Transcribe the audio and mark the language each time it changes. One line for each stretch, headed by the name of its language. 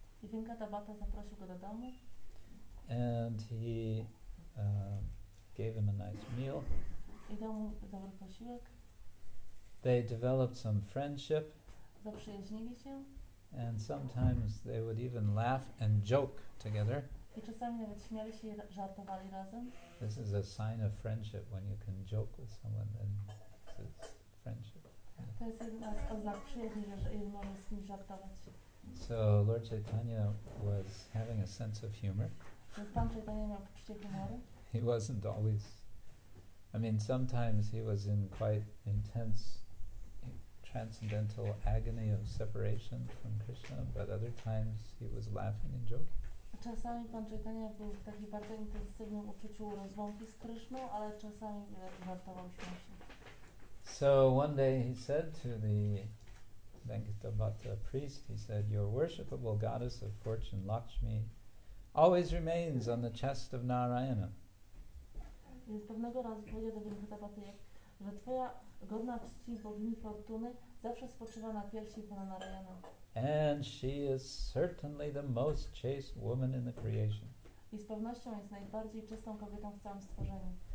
Polish: I Venkata Bhatta zaprosił go do domu.
English: And he gave him a nice meal.
Polish: I dał mu dobry posiłek.
English: They developed some friendship.
Polish: Zaprzyjaźnili się.
English: And sometimes they would even laugh and joke together.
Polish: I czasami nawet śmiali się i żartowali razem.
English: This is a sign of friendship when you can joke with someone and it's friendship.
Polish: To jest jedna z oznak przyjaźni, że jeden może z kimś żartować.
English: So Lord Chaitanya was having a sense of humor.
Polish: Pan Chaitanya miał poczucie humoru.
English: He wasn't always. I mean, sometimes he was in quite intense transcendental agony of separation from Krishna, but other times he was laughing and joking.
Polish: Czasami Pan Chaitanya był w takim bardzo intensywnym uczuciu rozłąki z Kryszną, ale czasami żartował się.
English: So one day he said to the Venkata Bhatta priest, he said, "Your worshipable goddess of fortune, Lakshmi, always remains on the chest of Narayana."
Polish: Więc pewnego razu powiedział do Venkata Bhatta, że twoja godna czci bogini fortuny zawsze spoczywa na piersi pana Narayana.
English: And she is certainly the most chaste woman in the creation.
Polish: I z pewnością jest najbardziej czystą kobietą w całym stworzeniu.